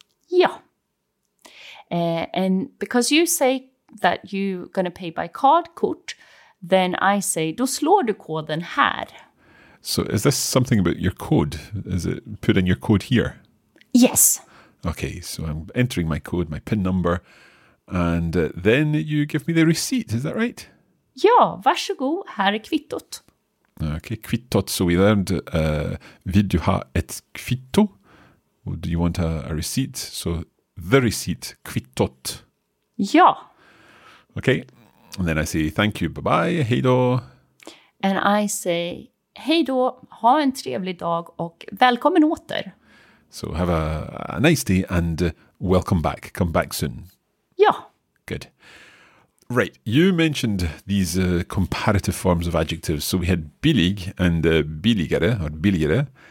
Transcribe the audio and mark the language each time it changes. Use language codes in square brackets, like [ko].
[en] Yeah. And because you say that you're going to pay by card, kort, then I say, [sv] då slår du koden här. [en] So is this something about your code? Is it put in your code here? Yes. Okay, so I'm entering my code, my PIN number, and then you give me the receipt, is that right? [sv] Ja, varsågod, här är kvittot. [en] Okay, kvittot, so we learned, [sv] vill du ha ett kvitto? [en] Or do you want a receipt? So, the receipt, kvittot. [sv] Ja. [en] Okay, and then I say thank you, bye-bye, hej då. And I say [sv] hej då, ha en trevlig dag och välkommen åter. [en] So have a nice day and welcome back. Come back soon. Yeah. Good. Right. You mentioned these comparative forms of adjectives. So we had billig and billigare or billigare.